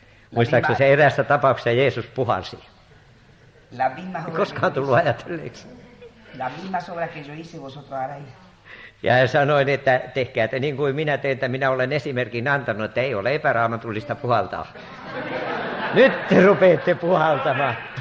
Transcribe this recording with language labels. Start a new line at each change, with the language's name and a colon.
Finnish: Muistaakseni se eräässä tapauksessa Jeesus puhalsi. Koskaan tullut ajatelleeksi.
Spanish: La misma obra que yo hice, vosotros haréis.
Finnish: Ja sanoin, että tehkää te niin kuin minä teen, että minä olen esimerkin antanut, että ei ole epäraamatullista puhaltaa. Nyt te rupeatte puhaltamaan.